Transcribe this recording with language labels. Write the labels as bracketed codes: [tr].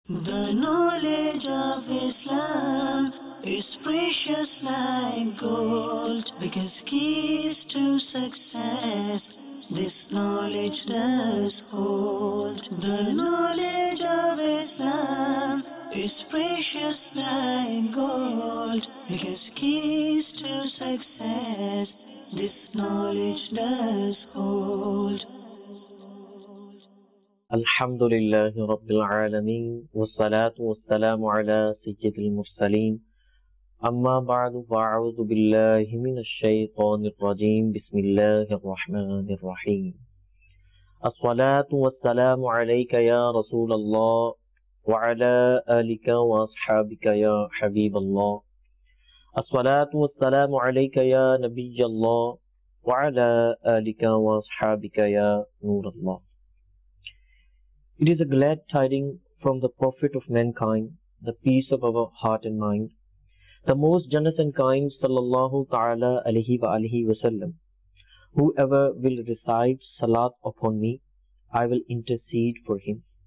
[en] The knowledge of Islam is precious like gold, because keys to success this knowledge does hold. The knowledge of Islam is precious like gold, because keys to success this knowledge does hold. [ar] الحمد لله رب العالمين والصلاة والسلام على سيد المرسلين أما بعد فأعوذ بالله من الشيطان الرجيم بسم الله الرحمن الرحيم الصلاة والسلام عليك يا رسول الله وعلى آلك وأصحابك يا حبيب الله الصلاة والسلام عليك يا نبي الله وعلى آلك وأصحابك يا نور الله. [en] It is a glad tiding from the Prophet of mankind, the peace of our heart and mind. The most generous and kind, sallallahu ta'ala alayhi wa alihi wa sallam, whoever will recite salat upon me, I will intercede for him.